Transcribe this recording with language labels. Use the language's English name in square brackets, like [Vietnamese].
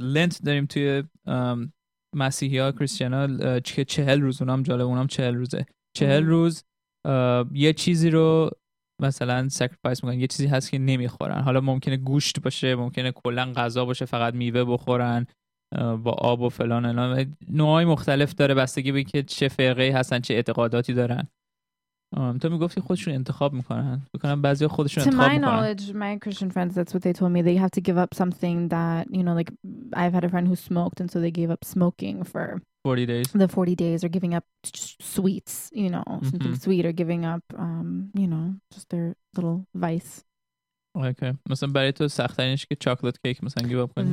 [Persian] لنت داریم توی مسیحی ها، کریستیان ها 40 اونام جالب، اونام 40 40 روز یه چیزی رو مثلا سکرفایس میکنن، یه چیزی هست که نمیخورن. حالا ممکنه گوشت باشه، ممکنه کلا غذا باشه، فقط میوه بخورن با آب و فلان الان. نوعای مختلف داره بستگی به که چه فرقه هستن، چه اعتقاداتی دارن. تو میگفتی خودشون انتخاب میکنن، میکنن بعضی خودشون انتخاب میکنن. [English] To my knowledge, my Christian friends, that's what they told me. They have to give up something that, you know, like I've had a friend who smoked and so they gave up smoking for 40 days. The 40 days or giving up sweets, you know, something mm-hmm. sweet or giving up, you know, just their little vice. Okay. [Persian] مثلا برای تو سخت‌ترینش که چاکلت کیک مثلا give up کنی.